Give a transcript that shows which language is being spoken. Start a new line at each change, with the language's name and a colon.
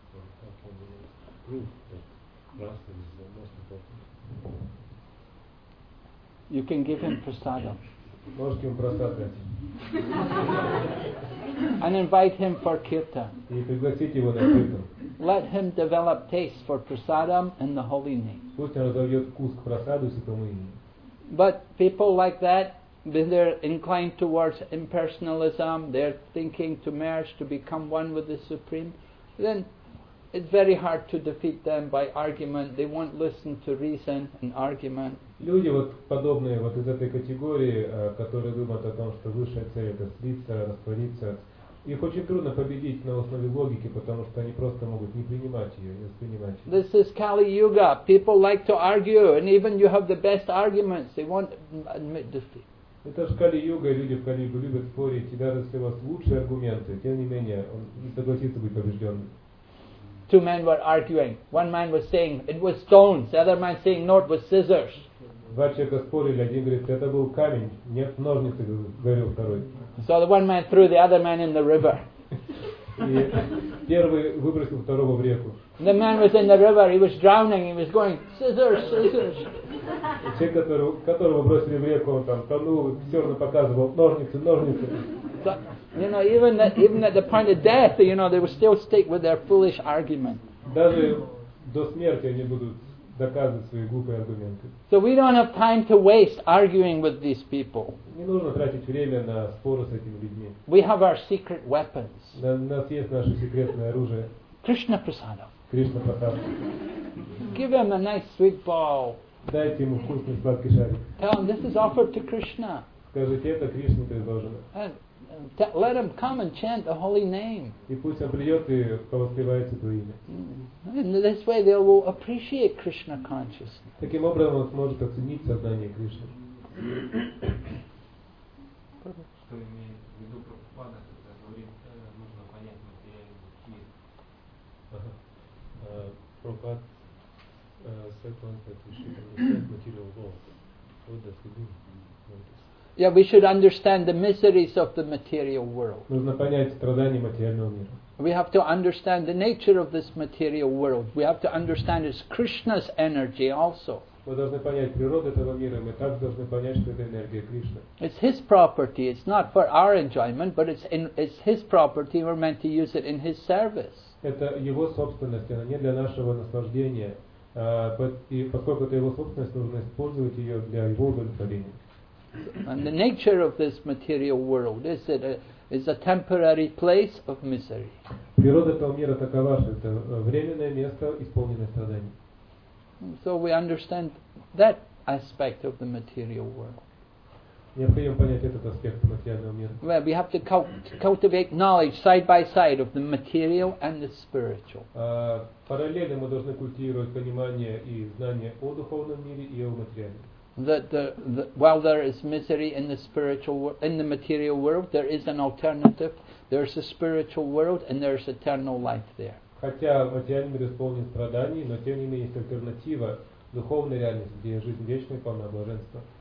English: And how can we prove that Rasa is the most important? You can give him prasada.
Russian: Можете ему прасад дать.
English: And invite him for kirtan.
Russian: И пригласите его на kirtan.
English: Let him develop taste for prasadam and the holy name.
Russian: Пусть он разовьет вкус к прасаду и святому имени.
English: But people like that, they're inclined towards impersonalism, they're thinking to merge, to become one with the Supreme, then it's very hard to defeat them by argument. They won't listen to reason and argument.
Russian: Люди вот подобные вот из этой категории, которые думают о том, что высшая цель — это слиться, раствориться, их очень трудно победить на основе логики, потому что они просто могут не принимать ее, не воспринимать ее.
English: This is Kali Yuga. People like to argue, and even you have the best arguments, they won't admit defeat.
Russian: Это же Кали-юга, люди в Кали-югу любят спорить, и даже если у вас лучшие аргументы, тем не менее, он не согласится быть побежденным.
English: Two men were arguing. One man was saying it was stones. The other man saying no, it was scissors.
Russian: Два человека спорили. Один говорит, это был камень. Нет, ножницы, говорил второй.
English: So the one man threw the other man in the river.
Russian: И первый выбросил второго в реку.
English: The man was in the river. He was drowning. He was going scissors, scissors.
Russian: Человек, которого бросили в реку, он там тонул, все равно показывал ножницы, ножницы.
English: So, you know, even at the point of death, you know, they will still stick with their foolish argument.
Russian: Даже до смерти они будут доказывать свои глупые аргументы.
English: So we don't have time to waste arguing with these people.
Russian: Не нужно тратить время на споры с этими людьми.
English: We have our secret weapons.
Russian: У нас есть наше секретное оружие.
English: Krishna prasada.
Russian: Krishna prasada.
English: Give him a nice sweet ball.
Russian: Дайте ему вкусный сладкий шарик.
English: Tell him this is offered to Krishna.
Russian: Скажите, это Кришне предложено.
English: Let him come and chant the holy name.
Russian: И пусть он придет и повоспевает это имя.
English: In this way, they will appreciate Krishna consciousness.
Russian: Таким образом, он сможет оценить сознание Кришны. Что имеет в виду Прабхупада, когда говорит, нужно понять материальный мир?
English: Прабхупад said once that we should understand material world. What does he mean? Yeah, we should understand the miseries of the material world.
Russian: Нужно понять страдания материального мира.
English: We have to understand the nature of this material world. We have to understand it's Krishna's energy also.
Russian: Мы должны понять природу этого мира, мы также должны понять, что это энергия Кришны.
English: It's his property. It's not for our enjoyment, but it's his property. We're meant to use it in his service.
Russian: Это его собственность, она не для нашего наслаждения. И поскольку это его собственность, нужно использовать ее для его удовлетворения.
English: And the nature of this material world is it is a temporary place of misery.
Russian: Природа этого мира такова, что это временное место, исполненное страданий.
English: So we understand that aspect of the material world.
Russian: Необходимо понять этот аспект материального мира.
English: Well, we have to cultivate knowledge side by side of the material and the spiritual.
Russian: Параллельно мы должны культивировать понимание и знание о духовном мире и о материальном.
English: That while there is misery in the spiritual world, in the material world, there is an alternative. There is a spiritual world, and there is eternal life there.
Russian: Хотя в материальном мире исполнен страданий, но тем не менее есть альтернатива — духовная реальность, где жизнь вечная, полная блаженства.